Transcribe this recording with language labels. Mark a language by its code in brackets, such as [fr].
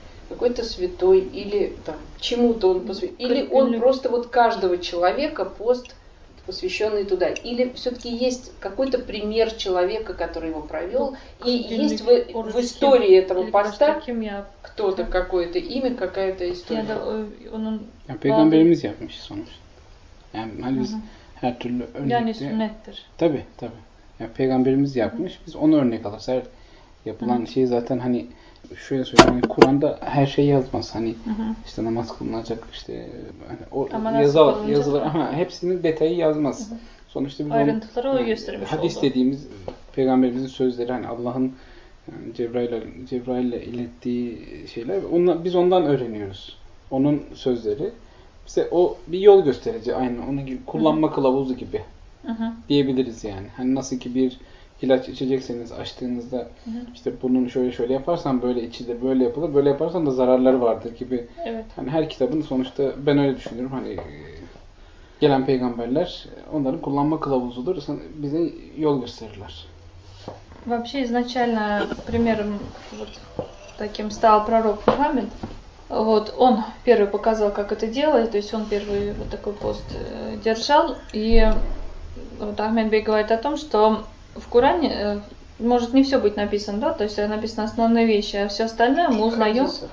[ru] Какой-то святой или там чему-то он посвящен? Или он просто вот каждого человека пост, посвященный туда? Или все-таки есть какой-то пример человека, который его провел? И есть в истории этого поста кто-то, какое-то имя, какая-то история? [tr] Peygamberimiz yapmış sonuçta. Yani hani biz her türlü örnekte... Yani sünnettir. Tabii tabii. Yani Peygamberimiz yapmış. Biz onu örnek alırız. Her yapılan şey zaten hani şöyle söyleyeyim. Hani Kur'an'da her şey yazmaz. Hani işte namaz kılınacak işte hani o yazılır. Ama hepsinin detayı yazmaz. Sonuçta biz ayrıntıları onu, o göstermiş hadis oldu. Hadis dediğimiz Peygamberimizin sözleri hani Allah'ın yani Cebrail'le ilettiği şeyler. Biz ondan öğreniyoruz. Onun sözleri. İşte o bir yol gösterici aynı onun gibi kullanma kılavuzu gibi diyebiliriz yani. Hani nasıl ki bir ilaç içecekseniz açtığınızda işte bunun şöyle şöyle yaparsan böyle içinde böyle yapılır. Böyle yaparsan da zararları vardır gibi. Evet. Hani her kitabın sonuçta ben öyle düşünüyorum. Hani gelen peygamberler onların kullanma kılavuzudur. Bize yol gösterirler. [ru] Вообще изначально примером вот таким стал пророк Мухаммед. Вот, он первый показал, как это делать, то есть он первый вот такой пост держал. И вот Ахмед Бей говорит о том, что в Коране может не все быть написано, да, то есть написано основные вещи, а все остальное мы узнаем.